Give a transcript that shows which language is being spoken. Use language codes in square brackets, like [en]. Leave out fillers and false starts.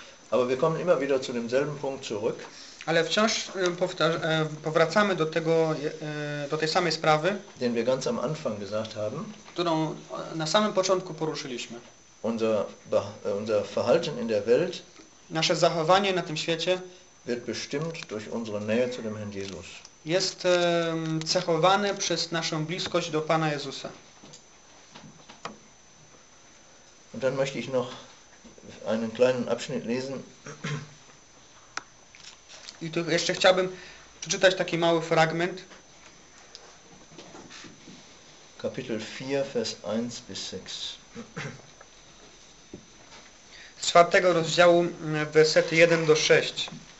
[de] Aber wir kommen immer wieder zu demselben Punkt zurück. [pl] Ale wciąż powracamy do tego, do tej samej sprawy, [de] den wir ganz am Anfang gesagt haben, [pl] którą na samym początku poruszyliśmy. [de] Unser Verhalten in der Welt, [pl] nasze zachowanie na tym świecie, [de] wird bestimmt durch unsere Nähe zu dem Herrn Jesus. [pl] Jest cechowane przez naszą bliskość do Pana Jezusa. [de] Und dann möchte ich noch einen kleinen Abschnitt lesen. [pl] I tu jeszcze chciałbym przeczytać taki mały fragment. [de] Kapitel 4, Vers 1 bis 6. [pl] Z 4 rozdziału, wersety 1 do 6.